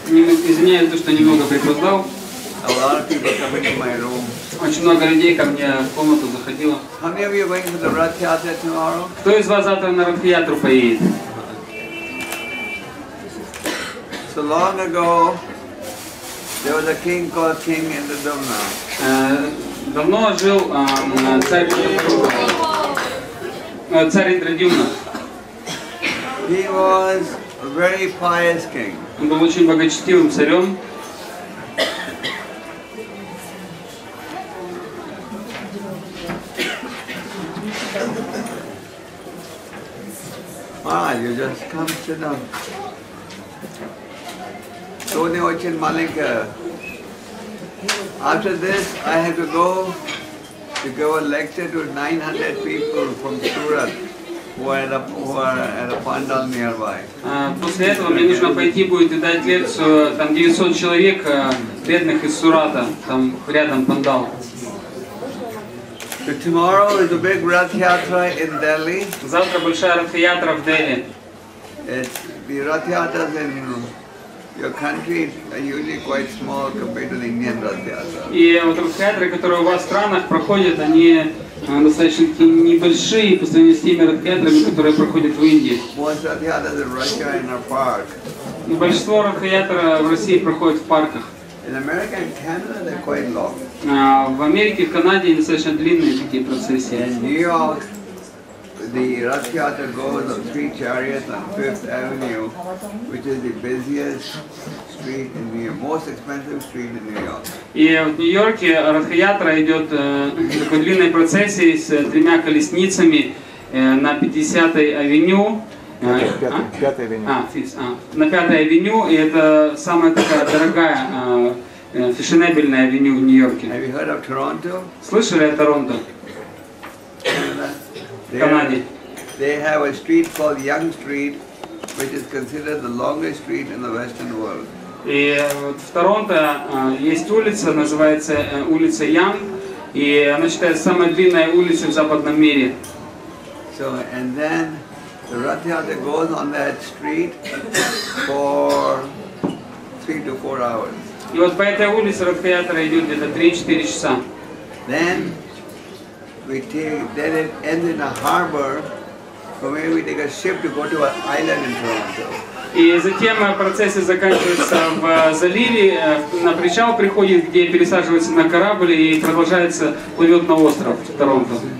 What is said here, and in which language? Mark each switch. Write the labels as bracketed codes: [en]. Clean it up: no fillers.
[ru] Извиняюсь, то, что немного припоздал. [en] A lot of people come into my room. [ru] Очень много людей ко мне в комнату заходило. [en] How many of you are going to the Rath Yatra tomorrow? [ru] Кто из вас завтра на Рат Ятру поедет? [en] So long ago, there was a king called King Indradumna. [ru] Давно жил царь Индрадюмна. [en] He was a very pious king. [ru] Он был очень благочестивым царем. [en] You just come to know. Sony Ochin Malika. After this, I have to go to give a lecture to 900 people from Surat who are at a pandal nearby. [ru] После этого мне нужно пойти будет и дать лекцию. Там 900 человек бедных из Сурата. Там рядом пандал. [en] So tomorrow is a big Rath Yatra in Delhi. [ru] Завтра большая Рат Ятра в Дели. [en] The Rath Yatras in your country are usually quite small compared to the Indian Rath Yatra. [ru] И вот Рат Ятры, которые у вас в странах проходят, они достаточно небольшие по сравнению с теми Рат Ятрами, которые проходят в Индии. [en] Most Rath Yatras in Russia in a park. [ru] Большинство Рат Ятр в России проходят в парках. [en] In America and Canada they're quite long. [ru] В Америке, в Канаде достаточно длинные такие процессии. [en] In New York, the Rath Yatra goes on three chariots on Fifth Avenue, which is the busiest street in New York, most expensive street in New York. [ru] И в Нью-Йорке Рath Yatra идет такой длинной процессией с тремя колесницами на 50-й авеню. На 5-й авеню, и это самая такая дорогая, фешенебельная авеню в Нью-Йорке. [en] Have you heard of Toronto? [ru] Слышали о Торонто? В Канаде. [en] They have a street called Yonge Street, which is considered the longest street in the Western world. [ru] И в Торонто есть улица, называется улица Yonge, и она считается самой длинной улицей в западном мире. [en] So, and then the Rath Yatra goes on that street for 3 to 4 hours. [ru] И вот по этой улице Рат Ятра идет где-то 3-4 часа. [en] Then we take, then it ends in a harbor, from where we take a ship to go to an island in Toronto. [ru] И затем процессия заканчивается в заливе, на причал приходит, где пересаживается на корабль и продолжается плывет на остров в Торонто.